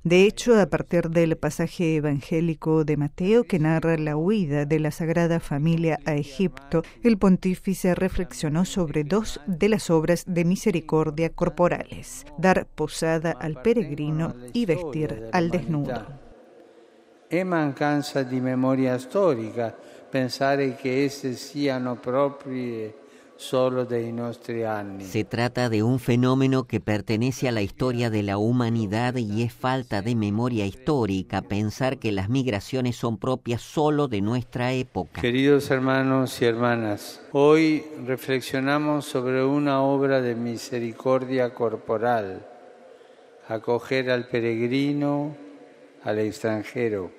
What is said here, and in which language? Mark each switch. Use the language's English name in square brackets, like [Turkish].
[Spanish] De hecho, a partir del pasaje evangélico de Mateo que narra la huida de la Sagrada Familia a Egipto, el pontífice reflexionó sobre dos de las obras de misericordia corporales: dar posada al peregrino y vestir al desnudo. [Italian] È mancanza di memoria storica pensare che esse siano proprie solo dei nostri anni. [Spanish] Se trata de un fenómeno que pertenece a la historia de la humanidad y es falta de memoria histórica pensar que las migraciones son propias solo de nuestra época. Queridos hermanos y hermanas, hoy reflexionamos sobre una obra de misericordia corporal: acoger al peregrino, al extranjero.